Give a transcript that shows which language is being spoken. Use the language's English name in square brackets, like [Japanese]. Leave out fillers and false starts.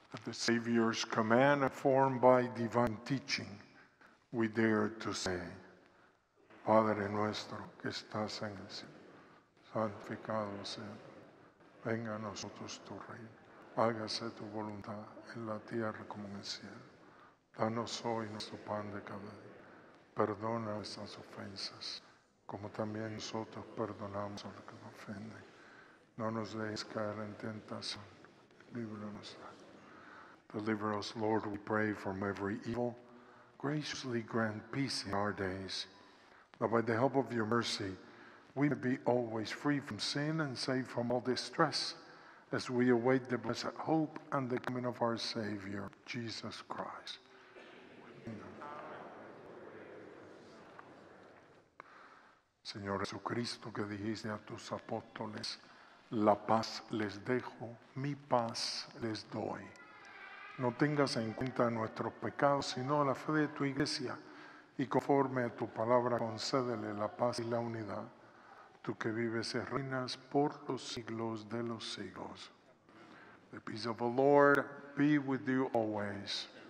[English] Savior's command, informed by divine teaching, we dare to say, [Spanish] Padre nuestro que estás en el cielo, santificado sea, venga a nosotros tu reino, hágase tu voluntad en la tierra como en el cielo. Danos hoy nuestro pan de cada día, perdona nuestras ofensas, como también nosotros perdonamos a los que nos ofenden. No nos dejes caer en tentación, líbranos de. [English] Deliver us, Lord, we pray, from every evil. Graciously grant peace in our days, that by the help of your mercy, we may be always free from sin and safe from all distress, as we await the blessed hope and the coming of our Savior, Jesus Christ. Amen. [Spanish] Señor Jesucristo, que dijiste a tus apóstoles, la paz les dejo, mi paz les doy. No tengas en cuenta nuestros pecados, sino la fe de tu iglesia. Y conforme a tu palabra, concédele la paz y la unidad. Tú que vives y reinas por los siglos de los siglos. [English] The peace of the Lord be with you always.